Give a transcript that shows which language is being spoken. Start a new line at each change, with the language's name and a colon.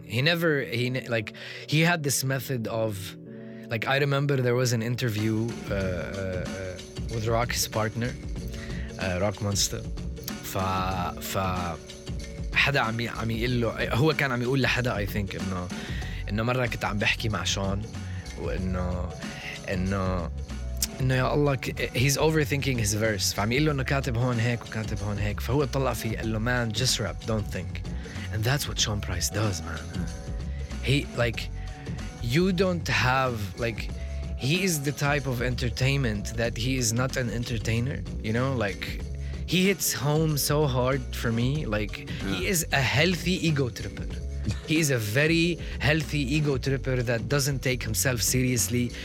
English: He had this method of like, I remember there was an interview with Rock, his partner, Rock Monster.
Arabic: ف حدا عم يقول له، هو كان عم يقول لحدا I think إنه مرة كنت عم بحكي مع Sean وإنه يا الله
English: he's overthinking his verse،
Arabic: فعم يقول له إنه كاتب هون هيك وكاتب هون هيك، فهو طلع فيه قال له
English: man just rap don't think. And that's what Sean Price does, man. He like you don't have like he is the type of entertainment that he is not an entertainer, you know, like he hits home so hard for me. Like he is a healthy ego tripper. He is a very healthy ego tripper that doesn't take himself seriously.